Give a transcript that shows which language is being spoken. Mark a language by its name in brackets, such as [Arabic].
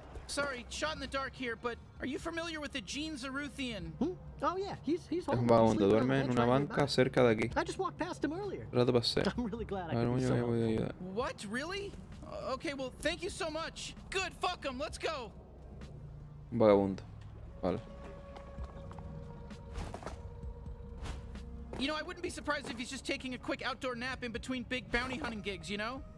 [English] Sorry, shot in the dark here, but are you familiar with the Gene Zaruthian? Hmm? Oh yeah, he's home. [Spanish] Es un vagón, duerme en una banca cerca de aquí. [English] I just walked past him earlier. [Spanish] Rato pasé. [English] I'm really glad I could be so helpful. What? Really? Okay, well, thank you so much. Good, fuck him, let's go. [Spanish] Un vagabundo. Vale. [English] You know, I wouldn't be surprised if he's just taking a quick outdoor nap in between big bounty hunting gigs, you know?